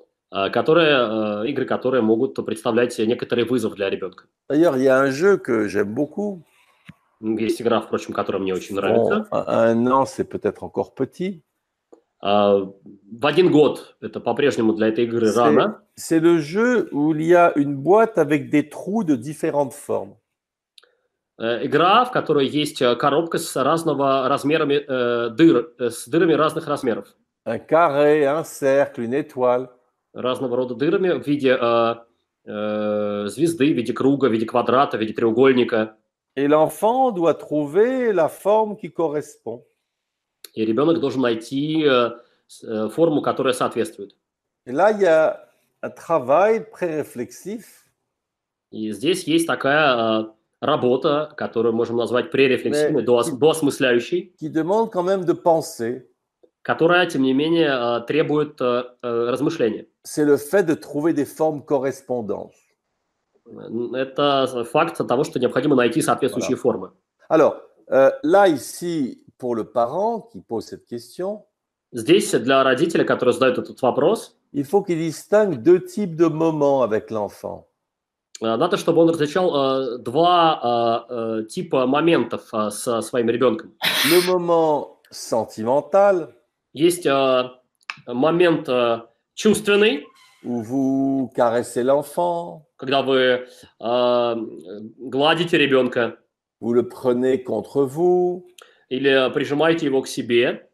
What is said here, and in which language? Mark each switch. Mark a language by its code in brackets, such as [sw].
[ru] Игры, которые могут представлять некоторый вызов для ребенка. [fr] D'ailleurs, il y a un jeu que j'aime beaucoup. [ru] Есть игра, впрочем, которая мне очень нравится. [fr] Un an, c'est peut-être encore petit. [ru] В один год это по-прежнему для этой игры рано. [fr] C'est le jeu où il y a une boîte avec des trous de différentes formes. [ru] Игра, в которой есть коробка с разного размерами с дырами разных размеров. [fr] Un carré, un cercle, une étoile. [ru] Разного рода дырами в виде звезды, в виде круга, в виде квадрата, в виде треугольника. [fr] Et l'enfant doit trouver la forme qui correspond. [ru] И ребенок должен найти форму, которая соответствует. [fr] Et là, il y a un travail pré-réflexif. [ru] И здесь есть такая работа, которую можем назвать пререфлексивной, доосмысляющей, [fr] qui demande quand même de penser, [ru] которая, тем не менее, требует размышления. [fr] C'est le fait de trouver des formes correspondantes. [ru] Это факт того, что необходимо найти соответствующие voilà. формы. [fr] Alors, là, ici, pour le parent qui pose cette question, [ru] здесь, для родителя, который задает этот вопрос, [fr] il faut qu'il distingue deux types de moments avec l'enfant. [ru] Надо, чтобы он различал два типа моментов со своим ребенком. [fr] Le moment sentimental. [ru] Есть момент чувственный. [fr] Où vous caressez l'enfant. [ru] Когда вы гладите ребенка. [fr] Vous le prenez contre vous. [ru] Или прижимаете его к себе.